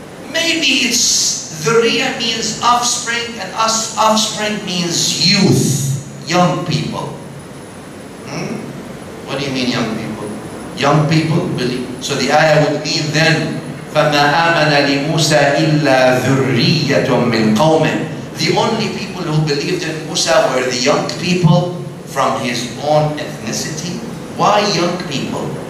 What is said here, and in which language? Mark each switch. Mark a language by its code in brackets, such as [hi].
[en] Maybe it's ذُرِّيَّة means offspring, and offspring means youth, young people. What do you mean young people? Young people believe. So the ayah would mean then, [ar] فَمَا آمَنَ لِمُوسَى إِلَّا ذُرِّيَّةٌ مِّن قَوْمٍ. [en] The only people who believed in Musa were the young people from his own ethnicity. Why young people?